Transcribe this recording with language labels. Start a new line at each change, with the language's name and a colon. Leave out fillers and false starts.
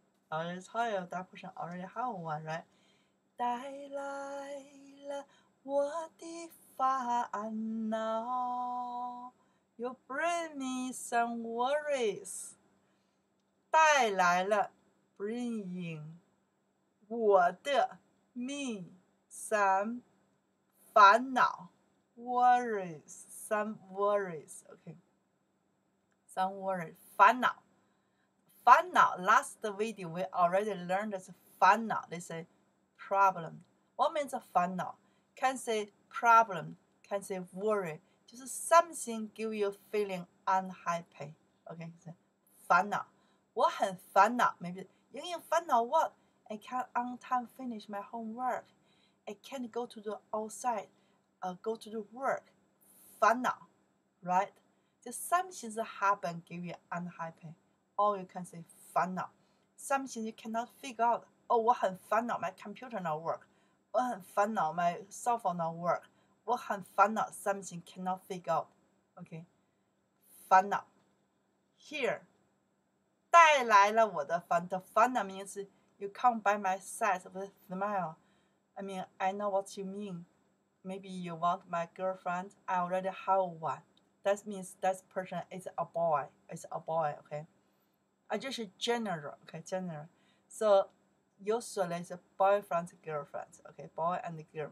English: I tell you, that person already have one, right?
Chinese: 带来了我的烦恼.
English: You bring me some worries.
Chinese: 带来了,
English: bringing. 我的, me, some, 烦恼, worries, some worries, okay. Some worries, 烦恼. 烦恼, last video, we already learned this 烦恼, they say problem. What means 烦恼? Can say problem, can say worry. Just something give you feeling unhappy, okay.
Chinese: So, 烦恼, 我很烦恼, maybe, 莹莹烦恼 what?
English: I can't on time finish my homework. I can't go to the outside, go to the work. 烦恼, right? Just something that happen give you unhappy. Or you can say 烦恼. Something you cannot figure out. Oh,
Chinese: 我很烦恼,
English: my computer not work. 我很烦恼, my cell phone not work.
Chinese: 我很烦恼,
English: something cannot figure out. Okay? 烦恼.
Chinese: Here, 带来了我的烦恼.
English: The 烦恼 means you come by my side with a smile. I mean, I know what you mean. Maybe you want my girlfriend. I already have one. That means that person is a boy. It's a boy, okay? I just general, okay, general. So, usually it's a boyfriend, girlfriend, okay? Boy and girl.